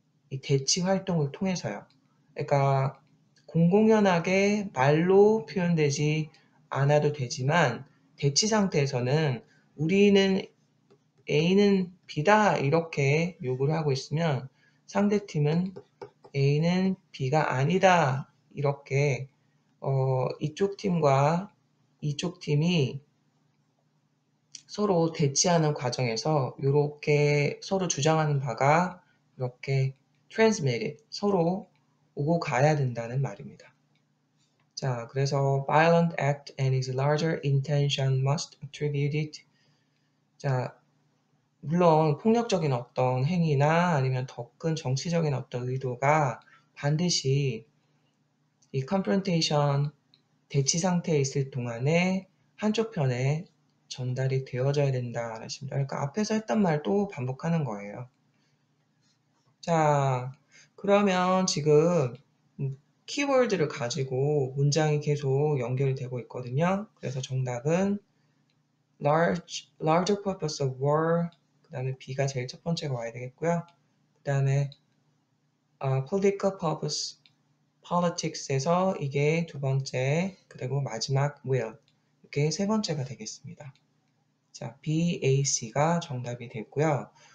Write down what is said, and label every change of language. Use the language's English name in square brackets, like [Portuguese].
[Korean] 이 대치 활동을 통해서요. 그러니까 공공연하게 말로 표현되지 않아도 되지만 대치 상태에서는 우리는 A는 B다 이렇게 요구를 하고 있으면 상대팀은 A는 B가 아니다 이렇게 이쪽 팀과 이쪽 팀이 서로 대치하는 과정에서 이렇게 서로 주장하는 바가 이렇게 transmitted, 서로 오고 가야 된다는 말입니다. [English] 자, 그래서 violent act and its larger intention must attribute it. [Korean] 자, 물론 폭력적인 어떤 행위나 아니면 더큰 정치적인 어떤 의도가 반드시 이 confrontation 대치 상태에 있을 동안에 한쪽 편에 전달이 되어져야 된다 하십니다. 그러니까 앞에서 했던 말도 반복하는 거예요. 자, 그러면 지금 키워드를 가지고 문장이 계속 연결이 되고 있거든요. 그래서 정답은 [English] larger purpose of war. [Korean] 그 다음에 B가 제일 첫 번째가 와야 되겠고요. 그 다음에 [English] political purpose, [Korean] politics에서 이게 두 번째, 그리고 마지막 will. 이게 세 번째가 되겠습니다. 자, B, A, C가 정답이 됐고요.